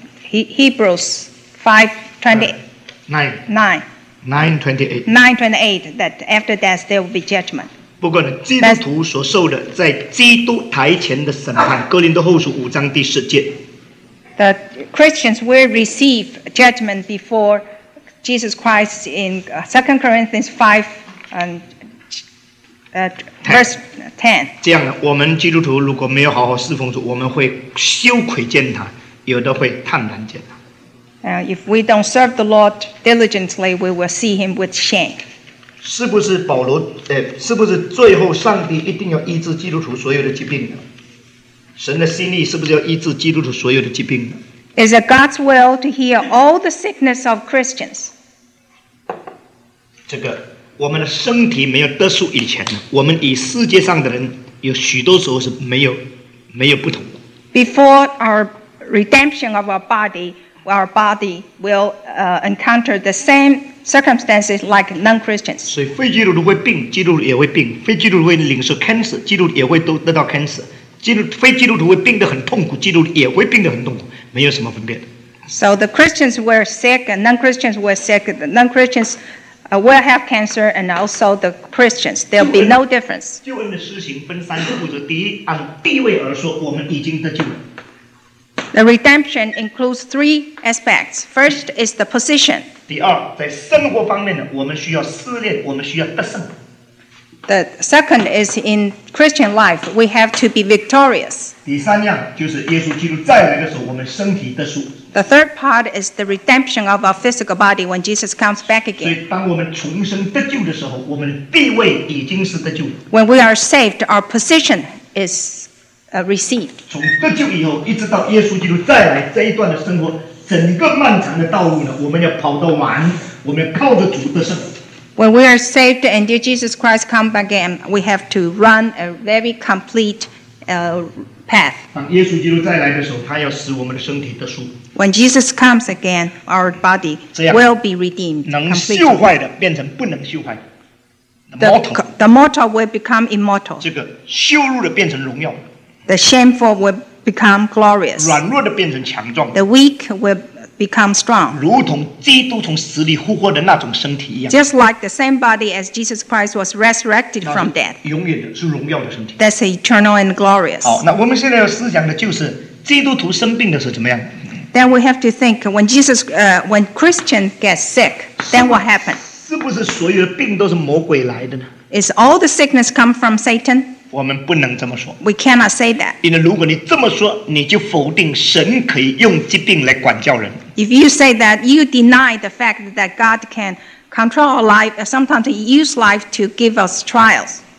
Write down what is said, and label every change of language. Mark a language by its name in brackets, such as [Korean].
[English] Hebrews 9:28 that after death there will be judgment. [Chinese] 不过呢，基督徒所受的在基督台前的审判，哥林多后书五章第十节。 [English] The Christians will receive judgment before Jesus Christ in 2 Corinthians 5:10. [Chinese] 这样呢，我们基督徒如果没有好好侍奉主，我们会羞愧见他，有的会坦然见他。 [English] If we don't serve the Lord diligently, we will see him with shame. [Chinese] 是不是保罗？是不是最后上帝一定要医治基督徒所有的疾病呢？神的心意是不是要医治基督徒所有的疾病呢？ [English] Is it God's will to heal all the sickness of Christians? [Chinese] 这个我们的身体没有得赎以前，我们与世界上的人有许多时候是没有不同。 [English] Before our redemption of our body. Our body will encounter the same circumstances like non-Christians. [Chinese] 所以非基督徒会病，基督徒也会病；非基督徒会领受 cancer， 基督徒也会得到 cancer。非基督徒会病得很痛苦，基督徒也会病得很痛苦，没有什么分别的。 [English] So the Christians were sick, and non-Christians were sick. The non-Christians will have cancer, and also the Christians. There'll be no difference. [Chinese] 救恩的施行分三个步骤：第一，按地位而说，我们已经得救了。 [English] The redemption includes three aspects. First is the position. [Chinese] 第二，在生活方面呢，我们需要试炼，我们需要得胜。 [English] The second is in Christian life, we have to be victorious. [Chinese] 第三样就是耶稣基督再来的时候，我们身体得赎。 [English] The third part is the redemption of our physical body when Jesus comes back again. [Chinese] 所以，当我们重生得救的时候，我们地位已经是得救。 [English] When we are saved, our position is. Received. [Chinese] 从得救以后，一直到耶稣基督再来这一段的生活，整个漫长的道路呢，我们要跑到完，我们要靠着主得胜。 [English] When we are saved and dear Jesus Christ come again, we have to run a very complete path. [Chinese] 当耶稣基督再来的时候，他要使我们的身体得赎。 [English] When Jesus comes again, our body will be redeemed. [Chinese] 能朽坏的变成不能朽坏。 [English] The mortal will become immortal. [Chinese] 这个羞辱的变成荣耀。 [English] The shameful will become glorious. [Chinese] 软弱的变成强壮。 [English] The weak will become strong. [Chinese] 如同基督从死里复活的那种身体一样。 [English] Just like the same body as Jesus Christ was resurrected from death. [Chinese] 永远的是荣耀的身体。 [English] That's eternal and glorious. [Chinese] 好，那我们现在要思想的就是基督徒生病的时候怎么样？ [English] Then we have to think when Jesus, when Christian gets sick, then what happened? [Chinese] 是不是所有的病都是魔鬼来的呢？ [English] Is all the sickness come from Satan? [Chinese] 我们不能这么说。 [English] We cannot say that. [Chinese] 因为如果你这么说, 你就否定神可以用疾病来管教人。 [English] If you say that, you deny the fact that God can control our life, sometimes he uses life to give us trials.